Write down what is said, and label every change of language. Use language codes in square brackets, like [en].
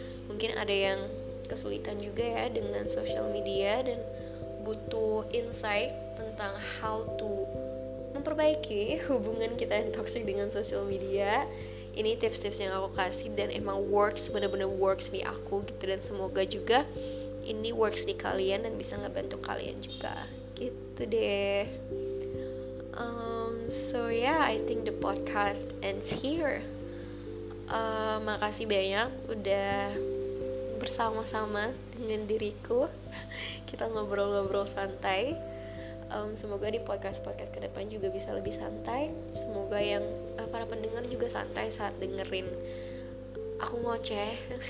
[id] Mungkin ada yang kesulitan juga ya dengan social media dan butuh insight tentang [en] how to [id] memperbaiki hubungan kita yang toksik dengan social media. ini tips-tips yang aku kasih dan emang works, bener-bener works di aku gitu, dan semoga juga ini works di kalian dan bisa ngebantu kalian juga gitu deh. [en] So yeah, I think the podcast ends here. [id] Makasih banyak udah bersama-sama dengan diriku. Kita ngobrol-ngobrol santai. Semoga di podcast-podcast ke depan juga bisa lebih santai. Semoga yang para pendengar juga santai saat dengerin aku ngoceh.